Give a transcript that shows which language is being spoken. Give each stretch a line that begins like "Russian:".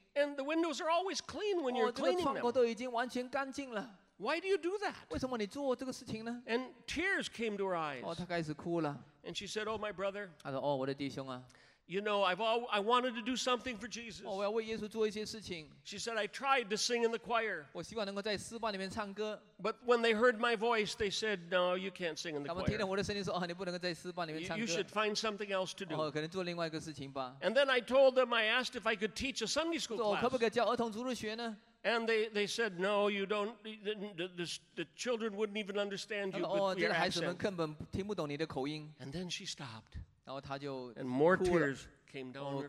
English: And the windows are always clean when you're cleaning them.
Chinese: 哦，这个窗户都已经完全干净了。
English: Why do you do that?
Chinese: 为什么你做这个事情呢
English: ？And tears came to her eyes.
Chinese: 哦，她开始哭了。
English: And she said, "Oh, my brother."
Chinese: 她说，哦，我的弟兄啊。
English: You know, I wanted to do something for Jesus.
Chinese: 我要为耶稣做一些事情。
English: She said, I tried to sing in the choir.
Chinese: 我希望能够在诗班里面唱歌。
English: But when they heard my voice, they said, No, you can't sing in the choir.
Chinese: 他们听到我的声音说，哦，你不能够在诗班里面唱歌。
English: You should find something else to do.
Chinese: 哦，可能做另外一个事情吧。
English: And then I told them, I asked if I could teach a Sunday school class.
Chinese: 我可不可以教儿童主日学呢？
English: And they said, no, you don't, the children wouldn't even understand you with your accent. And then she stopped. And more tears came down her